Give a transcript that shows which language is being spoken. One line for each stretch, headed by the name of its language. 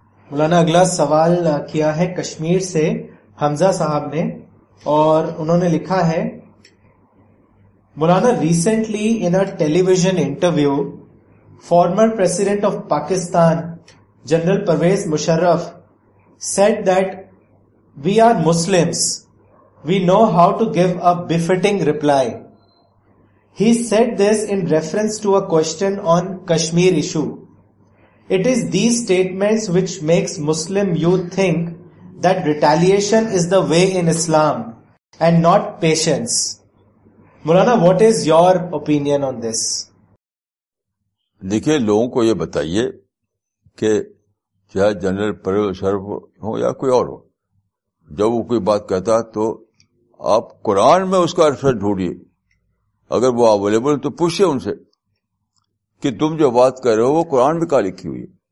Urdu: مولانا اگلا سوال کیا ہے کشمیر سے حمزہ صاحب نے, اور انہوں نے لکھا ہے,
English: مولانا recently in a television interview former president of Pakistan general Pervez Musharraf said that we are Muslims we know how to give a befitting reply. He said this in reference to a question on Kashmir issue. It is these statements which makes Muslim youth think that retaliation is the way in Islam and not patience. Mulana, what is your opinion on this?
Urdu: دیکھیے لوگوں کو یہ بتائیے کہ چاہے general Pervez Musharraf ہو یا کوئی اور ہو, جب وہ کوئی بات کہتا تو آپ قرآن میں اس کا ریفرنس ڈھونڈیے. اگر وہ اویلیبل تو پوچھے ان سے کہ تم جو بات کر رہے ہو وہ قرآن میں کہاں لکھی ہوئی ہے.